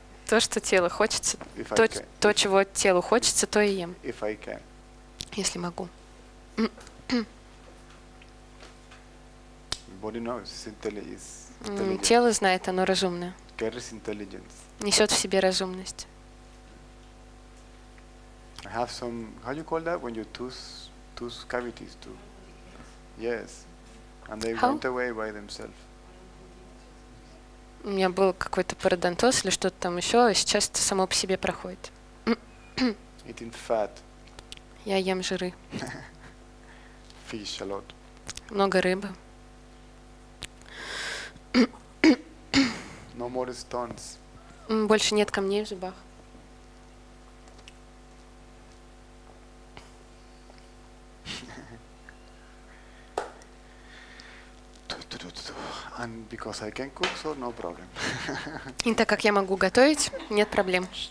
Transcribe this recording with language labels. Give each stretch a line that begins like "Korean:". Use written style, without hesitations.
Russian: То, что тело хочется, то, чего телу хочется, то и ем.
English: If I can.
Russian: Если могу.
English: Body knows. It's intelligent.
Russian: Тело знает, оно разумное.
English: Carries intelligence.
Russian: Несет в себе разумность.
English: I have some. How do you call that when your tooth cavities too? Yes, and they went away by themselves.
Russian: У меня был какой-то пародонтоз или что-то там еще, а сейчас это само по себе проходит.
English: Eating fat.
Russian: Я ем жиры.
English: Fish a lot.
Russian: Много рыбы.
English: No more stones.
Russian: Больше нет камней в зубах.
English: And because I can cook, so no problem.
Russian: И так как я могу готовить, нет проблем.